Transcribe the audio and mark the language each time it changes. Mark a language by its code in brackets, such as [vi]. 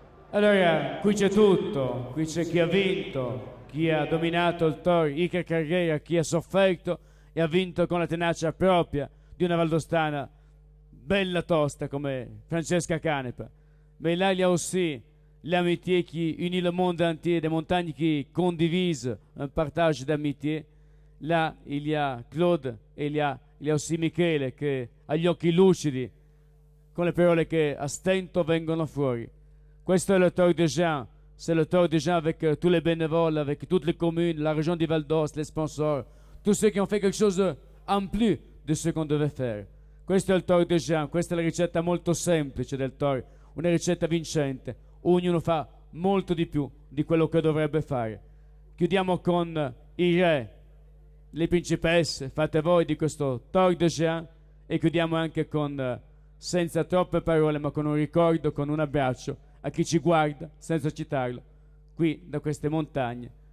[it] Allora, qui c'è tutto, qui c'è chi ha vinto, chi ha dominato il Tour, Iker Carrera, chi ha sofferto e ha vinto con la tenacia propria di una valdostana bella tosta come Francesca Canepa, Melalia Ossì, [fr] l'amitié qui unit le monde entier, le montagne qui condivise un partage d'amitié, là il y a Claude e il y a [it] Ossì Michele che agli occhi lucidi, con le parole che a stento vengono fuori. Questo è le Tour de Géant, [fr] c'est le Tour de Géant avec tous les bénévoles, avec toutes les communes, la région di Val d'Aoste, les sponsors, tous ceux qui ont fait quelque chose en plus de ce qu'on devait faire. [it] Questo è il Tour de Géant, questa è la ricetta molto semplice del Tour, una ricetta vincente, ognuno fa molto di più di quello che dovrebbe fare. Chiudiamo con i re, le principesse, fate voi di questo Tour de Géant, e chiudiamo anche con, senza troppe parole, ma con un ricordo, con un abbraccio a chi ci guarda, senza citarlo, qui da queste montagne.